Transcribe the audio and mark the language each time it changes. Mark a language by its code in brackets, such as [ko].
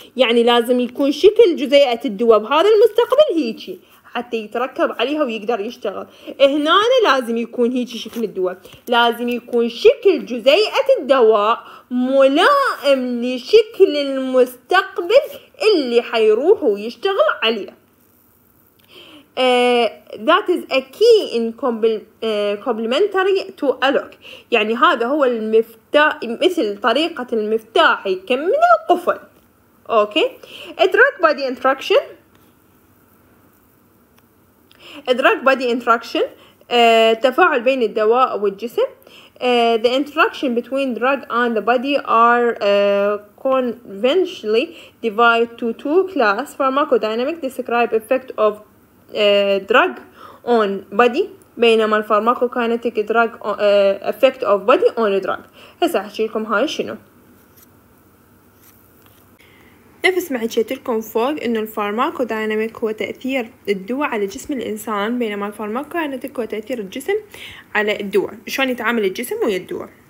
[ar] يعني لازم يكون شكل جزيئة الدواء بهذا المستقبل هيجي حتى يتركب عليها ويقدر يشتغل. هنا لازم يكون هيجي شكل الدواء، لازم يكون شكل جزيئة الدواء ملائم لشكل المستقبل اللي حيروح ويشتغل عليه. [en] That is a key in complementary to ALOC. [ar] يعني هذا هو المفتاح، مثل طريقة المفتاح يكمل القفل. [en] Okay. Drug body interaction. Drug body interaction. [ar] تفاعل بين الدواء والجسم. [en] the interaction between drug and the body are conventionally divided to two class. Pharmacodynamics describe effect of drug on body, [ar] بينما [en] الفارماكوكينيتيك drug effect of body on drug. [ar] هسه احكي لكم هاي شنو. نفس ما حكيت لكم فوق انه الفارماكوديناميك هو تاثير الدواء على جسم الانسان، بينما الفارماكوكينيتيك هو تاثير الجسم على الدواء، شلون يتعامل الجسم ويا الدواء.